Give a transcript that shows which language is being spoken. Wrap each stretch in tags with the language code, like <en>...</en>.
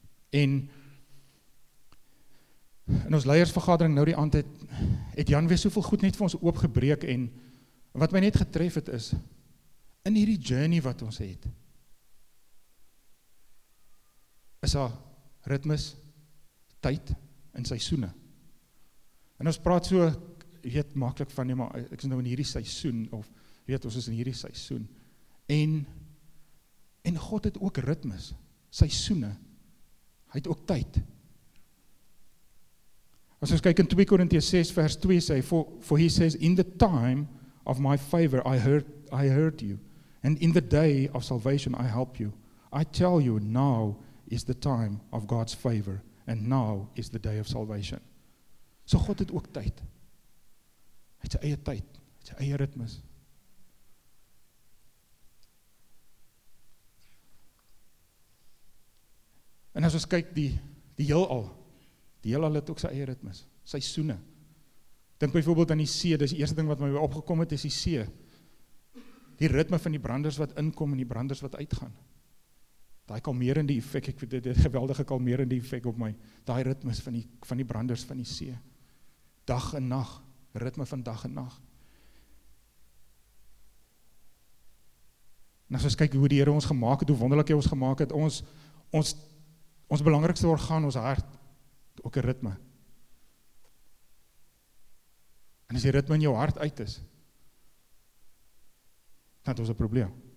<af>En in ons leiersvergadering nou die aand het Jan weer soveel goed net vir ons oopgebreek en wat my net getref het is, in hierdie journey wat ons het, is daar ritmes, tyd en seisoene. En ons praat so, jy weet, maklik van, nee, maar ek is nou in hierdie seisoen, of jy weet, ons is in hierdie seisoen. En God het ook ritmes, seisoene, hy het ook tyd. As ons kyk in 2 Korintiërs 6 vers 2 sê,</af> <en>for he says, in the time of my favor I heard you, and in the day of salvation I help you. I tell you, now is the time of God's favor, and now is the day of salvation.</en> <af>So God het ook tyd. Hy het sy eie tyd, hy het sy eie ritmes. En as ons kyk die heelal het ook sy eie ritmes, seisoene. Dink byvoorbeeld aan die see, dis die eerste ding wat my opgekom het, is die see. Die ritme van die branders wat inkom en die branders wat uitgaan. Daai kalmerende effek, ek weet dit het geweldige kalmerende effek op my, daai ritmes van die branders van die see. Dag en nag, ritme van dag en nag. En as ons kyk hoe die Here ons gemaak het, hoe wonderlik hy ons gemaak het, ons belangrikste orgaan, ons hart, ook 'n ritme. En as die ritme in jou hart uit is, dan het ons 'n probleem.</af>